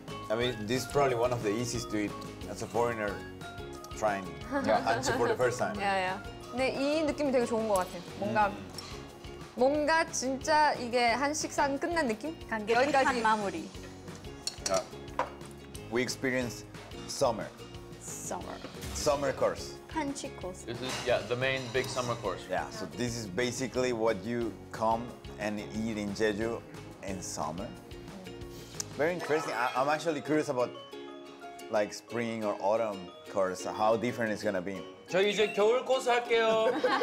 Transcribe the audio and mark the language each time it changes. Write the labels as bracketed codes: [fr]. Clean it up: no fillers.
[en] I mean, this is probably one of the easiest to eat as a foreigner trying hanchi for the first time. Yeah, yeah. [ko] 근데 이 느낌이 되게 좋은 것 같아. 뭔가 뭔가 진짜 이게 한식상 끝난 느낌? 여기까지 마무리. [en] We experienced summer. Summer. Summer course. This is yeah the main big summer course. Yeah, so this is basically what you come and eat in Jeju in summer. Very interesting. I'm actually curious about like spring or autumn course. How different it's gonna be? [ko] 저 이제 겨울 코스 할게요.